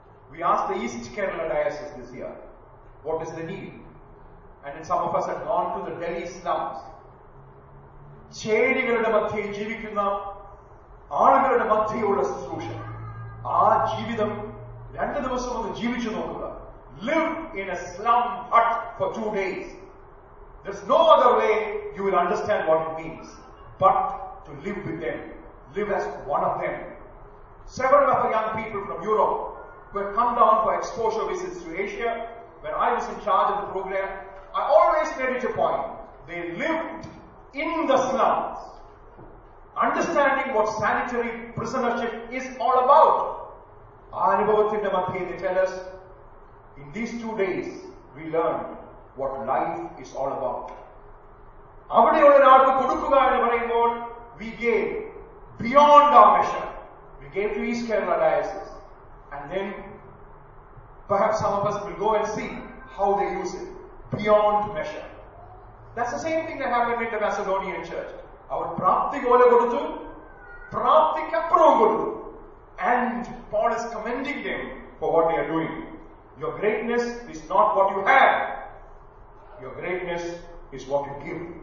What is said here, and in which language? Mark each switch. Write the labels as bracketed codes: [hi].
[en] We asked the East Kerala Diocese this year, what is the need? And then some of us had gone to the Delhi slums. [ml] ചേരികളുടെ മധ്യയിൽ ജീവിക്കുന്ന ആളുകളുടെ മധ്യയുള്ള ശുശ്രൂഷ ആ ജീവിതം 2 ദിവസം ഒന്ന് ജീവിച്ചു നോക്കുക. [en] Live in a slum hut for 2 days. There's no other way you will understand what it means. But to live with them. Live as one of them. Several of our young people from Europe who had come down for exposure visits to Asia, when I was in charge of the program, I always made it a point. They lived in the slums. Understanding what sanitary prisonership is all about. [ml] Anubhavathinte madhye, [en] they tell us, in these 2 days, we learned what life is all about. [ml] അവിടെയുള്ള ഒരാൾക്ക് കൊടുക്കുക എന്ന് പറയുമ്പോൾ [en] we gave beyond our measure we gave to east Kerala diocese and then perhaps some of us will go and see how they use it beyond measure that's the same thing that happened in the Macedonian church [ml] അവർ പ്രാപ്തി പോലെ കൊടുത്തു പ്രാപ്തിക്കപ്പുറവും കൊടുത്തു [en] And Paul is commenting them for what they are doing your greatness is not what you have your greatness is what you give.